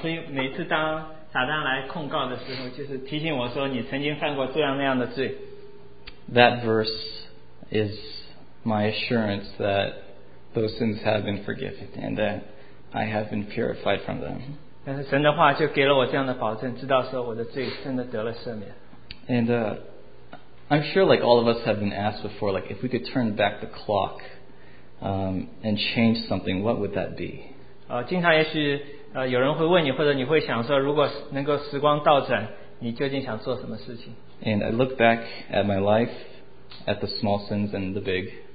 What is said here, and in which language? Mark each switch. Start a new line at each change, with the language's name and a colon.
Chinese: 所以每次当撒旦来控告的时候, 就是提醒我说你曾经犯过这样那样的罪。
English: That verse is my assurance that those sins have been forgiven and that I have been purified from them.
Chinese: 但是神的话就给了我这样的保证, 知道说我的罪真的得了赦免。
English: And I'm sure like all of us have been asked before, like if we could turn back the clock and change something, what would that be?
Chinese: 经常也许有人会问你或者你会想说, 如果能够时光倒转, 你究竟想做什么事情?
English: And I look back at my life, at the small sins and the big.